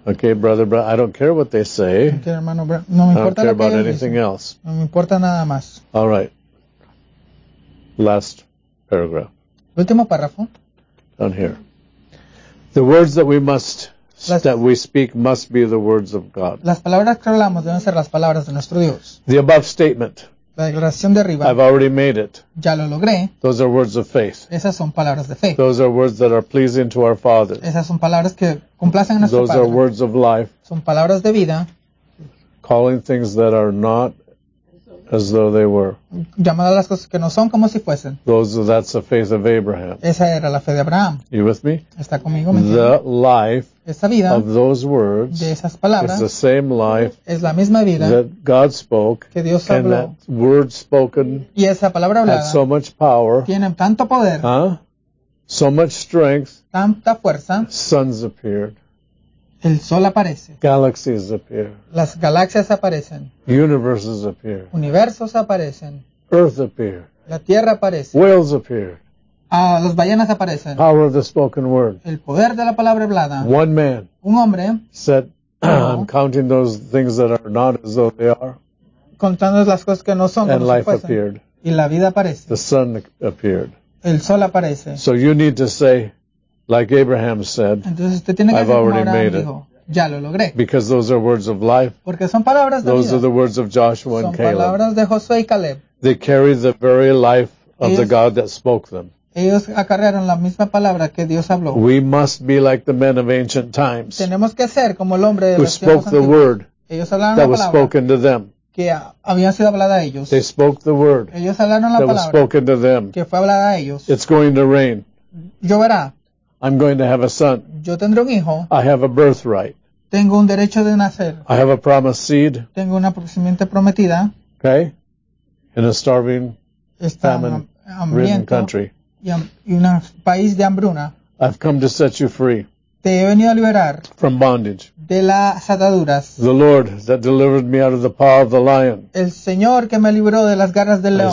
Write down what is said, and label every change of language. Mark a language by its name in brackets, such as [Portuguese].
[English] Okay, brother, bro, I don't care what they say. [Spanish] Okay, hermano, bro, no me importa [English] I don't care [Spanish] lo que él [English] anything [Spanish] dice. [English] Else. [Spanish] No me importa nada más. [English] All right. Last paragraph. [Spanish] Último párrafo. [English] Down here. The words that we must, las, that we speak must be the words of God. [Spanish] Las palabras que hablamos deben ser las palabras de nuestro Dios. [English] The above statement. [Spanish] La declaración de arriba. [English] I've already made it. [Spanish] Ya lo logré. [English] Those are words of faith. [Spanish] Esas son palabras de fe. [English] Those are words that are pleasing to our Father. [Spanish] Esas son palabras que complacen a nuestro [English] Those [Spanish] Padre. [English] Those are words of life. [Spanish] Son palabras de vida. [English] Calling things that are not as though they were. [Spanish] Llamando a las cosas que no son como si fuesen. [English] Those, that's the faith of Abraham. [Spanish] Esa era la fe de Abraham. [English] You with me? [Spanish] Está conmigo, ¿me [English] The life [Spanish] Esa vida [English] of those words [Spanish] de esas palabras [English] is the same life [Spanish] es la misma vida [English] that God spoke [Spanish] que Dios habló. [English] And that word spoken [Spanish] y esa palabra hablada [English] had so much power. [Spanish] Tienen tanto poder. [English] Huh? So much strength. [Spanish] Tanta fuerza. [English] Suns appeared. [Spanish] El sol aparece. [English] Galaxies appear. [Spanish] Las galaxias aparecen. [English] Universes appear. [Spanish] Universos aparecen. [English] Earth appear. [Spanish] La tierra aparece. [English] Whales appear. [Spanish] Las ballenas aparecen. [English] Power of the spoken word. [Spanish] El poder de la palabra hablada. [English] One man. [Spanish] Un hombre. [English] Said, I'm counting those things that are not as though they are. [Spanish] Contando las cosas que no son como si fuesen. [English] And life appeared. [Spanish] Y la vida aparece. [English] The sun appeared. [Spanish] El sol aparece. [English] So you need to say, like Abraham said, [Spanish] Entonces, usted tiene que [English] I've already [Spanish] Abraham [English] made it. [Spanish] Dijo, ya lo logré. [English] Because those are words of life. [Spanish] Porque son palabras de [English] those [Spanish] vida. [English] Are the words of Joshua [Spanish] son [English] and Caleb. [Spanish] Palabras de Josué y Caleb. [English] They carry the very life of [Spanish] ellos, [English] the God that spoke them. [Spanish] Ellos acarrearon la misma palabra que Dios habló. [English] We must be like the men of ancient times. [Spanish] Tenemos que ser como el hombre de [English] who spoke the word [Spanish] ellos hablaron [English] that [Spanish] la palabra [English] was spoken to them. [Spanish] Que había sido hablada a ellos. [English] They spoke the word [Spanish] ellos hablaron la [English] that [Spanish] palabra [English] was spoken to them. [Spanish] Que fue hablada a ellos. [English] It's going to rain. [Spanish] Lloverá. [English] I'm going to have a son. [Spanish] Yo tendré un hijo. [English] I have a birthright. [Spanish] Tengo un derecho de nacer. [English] I have a promised seed. [Spanish] Tengo una simiente prometida. [English] Okay. In a starving, famine-ridden country. [Spanish] Y un país de hambruna. [English] I've come to set you free. [Spanish] Te he venido a liberar. [English] From bondage. [Spanish] De las ataduras. [English] The Lord that delivered me out of the paw of the lion. [Spanish] El Señor que me libró de las garras del león.